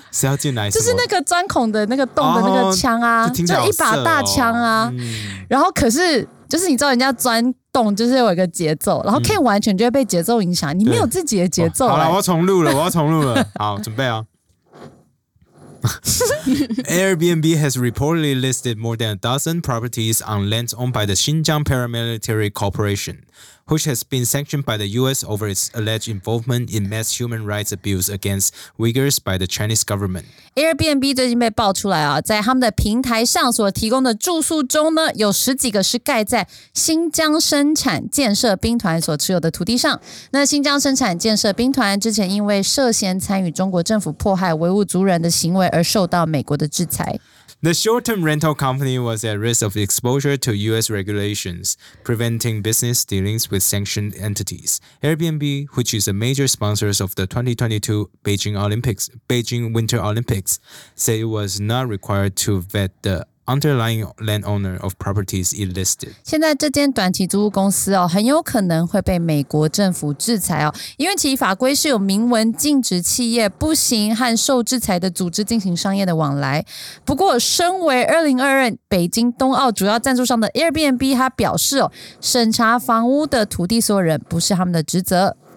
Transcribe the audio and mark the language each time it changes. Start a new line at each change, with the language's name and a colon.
Chinese: 谁要进来？就是那个钻孔的那个洞的那个枪啊，哦就一把大枪啊、嗯。然后可是，就是你知道人家钻洞就是有一个节奏，然后 Ken 完全就会被节奏影响，你没有自己的节奏。好了，我要重录了，我要重录了，好，准备啊！
English: Airbnb has reportedly listed more than a dozen properties on land owned by the Xinjiang Paramilitary Corporation, which has been sanctioned by the U.S. over its alleged involvement in mass human rights abuse against Uyghurs by the Chinese government.
Chinese: Airbnb 最近被爆出来啊，在他们的平台上所提供的住宿中呢，有十几个是盖在新疆生产建设兵团所持有的土地上。那新疆生产建设兵团之前因为涉嫌参与中国政府迫害维吾族人的行为而受到美国的制裁。
English: The short-term rental company was at risk of exposure to U.S. regulations, preventing business dealings with sanctioned entities. Airbnb, which is a major sponsor of the 2022 Beijing Winter Olympics, said it was not required to vet the underlying landowner of properties it listed.
Chinese: 现在这间短期租屋公司哦，很有可能会被美国政府制裁哦，因为其法规是有明文禁止企业不行和受制裁的组织进行商业的往来。不过，身为2022北京冬奥主要赞助商的 Airbnb， 他表示哦，审查房屋的土地所有人不是他们的职责。